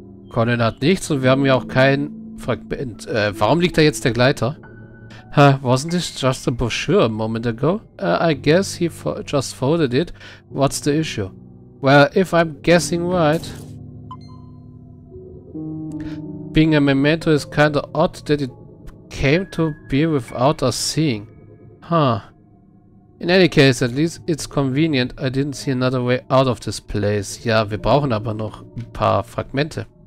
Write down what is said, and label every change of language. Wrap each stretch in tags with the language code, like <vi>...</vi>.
<de>Colin hat nichts und wir haben ja auch kein Fragment. Warum liegt da jetzt der Gleiter?</de> <en>Wasn't this just a brochure a moment ago? I guess he just folded it. What's the issue? Well, if I'm guessing right, being a memento is kind of odd that it came to be without us seeing. Huh. In any case, at least it's convenient. I didn't see another way out of this place.</en> <de>Ja, wir brauchen aber noch ein paar Fragmente.</de>